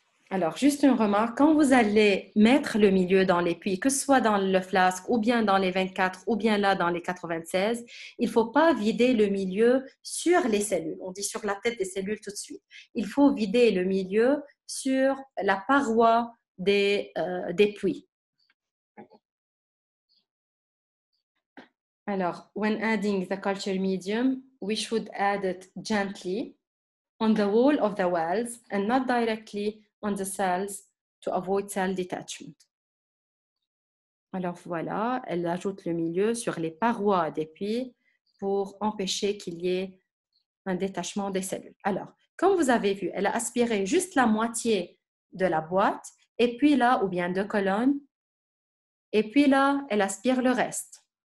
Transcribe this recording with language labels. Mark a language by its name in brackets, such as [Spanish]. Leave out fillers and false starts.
[French] Alors, juste une remarque. Quand vous allez mettre le milieu dans les puits, que ce soit dans le flasque ou bien dans les 24 ou bien là dans les 96, il ne faut pas vider le milieu sur les cellules. On dit sur la tête des cellules tout de suite. Il faut vider le milieu sur la paroi des puits. [English] Alors, when adding the culture medium, we should add it gently on the wall of the wells and not directly on the cells to avoid cell detachment. [French] Alors voilà, elle ajoute le milieu sur les parois des puits pour empêcher qu'il y ait un détachement des cellules. Alors, comme vous avez vu, elle a aspiré juste la moitié de la boîte et puis là, ou bien deux colonnes, et puis là, elle aspire le reste.